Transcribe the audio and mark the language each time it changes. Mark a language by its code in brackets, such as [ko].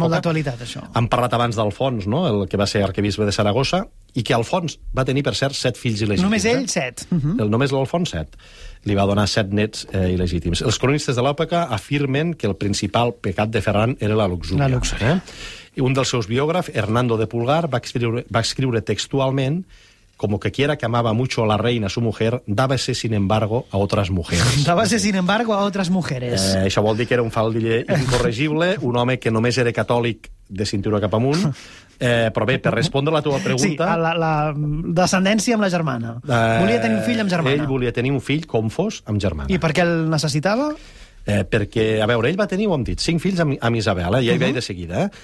[ca] Està molt d'actualitat, això. Hem parlat abans d'Alfons, no?, el que va ser arquebisbe de Saragossa, i que Alfons va tenir, per cert, 7 fills il·legítims. Només ell, 7. Només l'Alfons, 7. Li va donar 7 nets il·legítims. Els cronistes de l'època afirmen que el principal pecat de Ferran era la luxúria. La luxúria. I un dels seus biògrafs, Hernando de Pulgar, va escriure textualment: [es] como que quiera que amaba mucho a la reina, su mujer, dábase, sin embargo, a otras mujeres. Dábase, sin embargo, a otras mujeres. [ca] Això vol dir que era un faldiller incorregible, un home que només era catòlic de cintura cap amunt. Però bé, per respondre la teva pregunta... Sí, la descendència amb la germana. Volia tenir un fill amb germana. Ell volia tenir un fill, com fos, amb germana. I per què el necessitava? Perquè, a veure, ell va tenir, ho hem dit, 5 fills amb Isabel, ja hi veia de seguida.